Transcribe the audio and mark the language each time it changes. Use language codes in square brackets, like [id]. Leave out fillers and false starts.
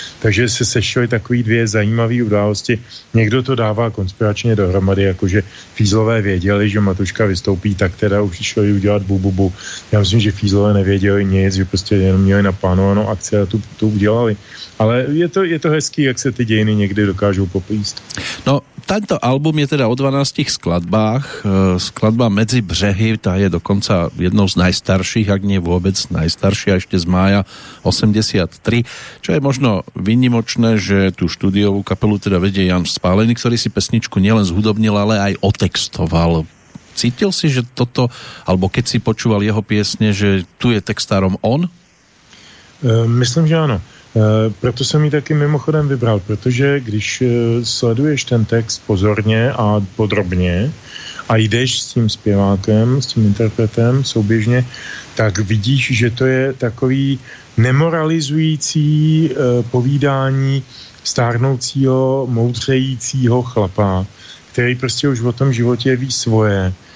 [cs] Takže se sešly takové dvě zajímavé události. Někdo to dává konspiračně dohromady, jakože Fízlové věděli, že Matuška vystoupí, tak teda už šli udělat bububu. Já myslím, že Fízlové nevěděli nic, že prostě jenom měli naplánovanou akci a tu udělali. Ale je to hezký, jak se ty dějiny někdy dokážou poplíst. [sk] No, tento album je teda o 12 skladbách. Skladba Medzi břehy, ta je dokonca jednou z najstarších, ak nie vôbec najstaršia, ešte z mája 83. Čo je možno výnimočné, že tú štúdiovú kapelu teda vedie Jan Spálený, ktorý si pesničku nielen zhudobnil, ale aj otextoval. Cítil si, že toto, alebo keď si počúval jeho piesne, že tu je textárom on? Myslím, že áno. [cs] Proto jsem ji taky mimochodem vybral, protože když sleduješ ten text pozorně a podrobně a jdeš s tím zpěvákem, s tím interpretem souběžně, tak vidíš, že to je takový nemoralizující povídání stárnoucího, moudřejícího chlapa, který prostě už o tom životě ví svoje.